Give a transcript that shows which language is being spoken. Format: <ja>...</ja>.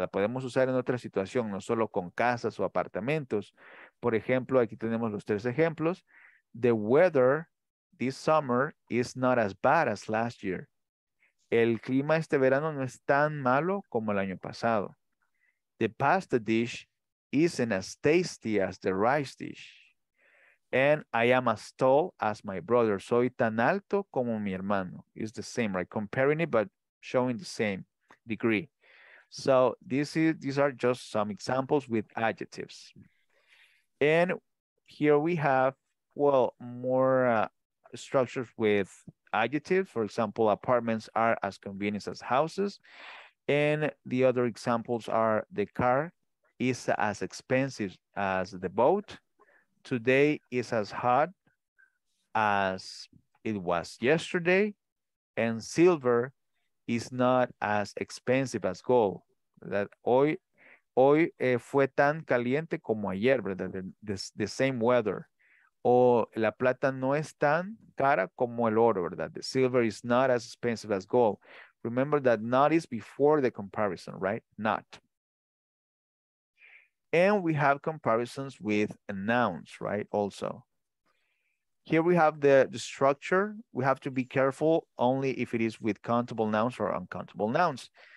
<es>La podemos usar en otra situación, no solo con casas o apartamentos. Por ejemplo, aquí tenemos los tres ejemplos.</es> <en>The weather this summer is not as bad as last year.</en> <es>El clima este verano no es tan malo como el año pasado.</es> <en>The pasta dish isn't as tasty as the rice dish. And I am as tall as my brother.</en> <es>Soy tan alto como mi hermano.</es> <en>It's the same, right? Comparing it, but showing the same degree. So these are just some examples with adjectives. And here we have, well, more structures with adjective. For example, apartments are as convenient as houses. And the other examples are the car is as expensive as the boat. Today is as hot as it was yesterday. And silver is not as expensive as gold.</en> <es>That hoy fue tan caliente como ayer, ¿verdad?</es> <en>The same weather.</en> <es>O la plata no es tan cara como el oro, ¿verdad?</es> <en>The silver is not as expensive as gold. Remember that not is before the comparison, right? Not. And we have comparisons with nouns, right? Also. Here we have the structure. We have to be careful only if it is with countable nouns or uncountable nouns.</en>